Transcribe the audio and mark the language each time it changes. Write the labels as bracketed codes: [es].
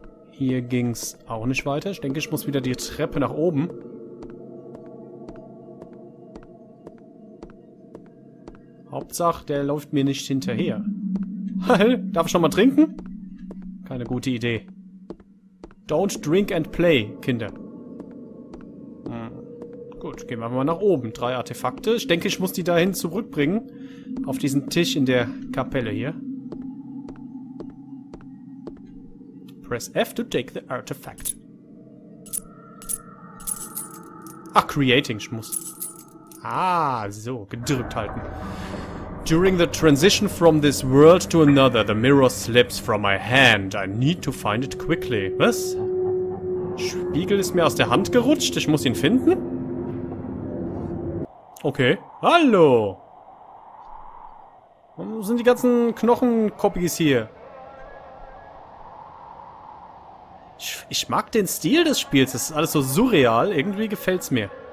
[de] Hier ging's auch nicht weiter. Ich denke, ich muss wieder die Treppe nach oben. Hauptsache, der läuft mir nicht hinterher. Darf ich nochmal trinken? Keine gute Idee. [en] Don't drink and play, Kinder. [de] Gut, gehen wir mal nach oben. 3 Artefakte. Ich denke, ich muss die dahin zurückbringen. Auf diesen Tisch in der Kapelle hier. [en] Press F to take the artifact. [de] Ach, creating, ich muss. Ah, so, gedrückt halten. [en] During the transition from this world to another, the mirror slips from my hand. I need to find it quickly. [de] Was? Spiegel ist mir aus der Hand gerutscht. Ich muss ihn finden? Okay. Hallo! Wo sind die ganzen Knochenkoppies hier? Ich mag den Stil des Spiels. Das ist alles so surreal. Irgendwie gefällt's mir.